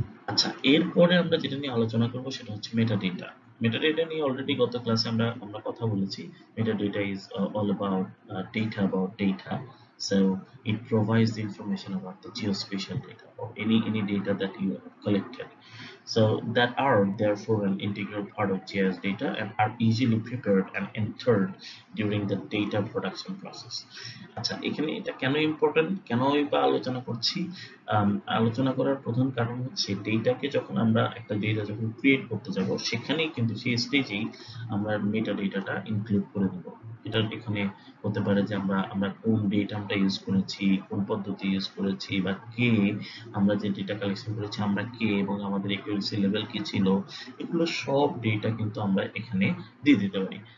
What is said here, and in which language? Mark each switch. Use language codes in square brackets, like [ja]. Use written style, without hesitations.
[bn] আচ্ছা, এরপরে আমরা যেটা নিয়ে আলোচনা করবো সেটা হচ্ছে মেটাডেটা। মেটাডেটা নিয়ে অলরেডি গত ক্লাসে আমরা আমরা কথা বলেছি। [en] Metadata is all about data, about data, so it provides the information about the geospatial data or any data that you collected. So that are therefore an integral part of GIS data and are easily prepared and entered during the data production process. [bn] আচ্ছা, এখানে এটা কেন important, কেন এইবা আলোচনা করছি, আলোচনা করার প্রধান কারণ হচ্ছে ডেটাকে যখন আমরা একটা ডেটা যখন ক্রিয়েট করতে যাব সেখানেই কিন্তু সেই স্টেজেই আমরা মেটা ডেটাটা ইনক্লুড করে দেব। এটা এখানে হতে পারে যে আমরা আমরা কোন ডেটা আমরা ইউজ করেছি, কোন পদ্ধতি ইউজ করেছি, বা কে আমরা যে ডেটা কালেকশন করেছি আমরা কে এবং আমাদের অ্যাকুরেসি লেভেল কি ছিল, এগুলো সব ডেটা কিন্তু আমরা এখানে দিয়ে দিতে পারি।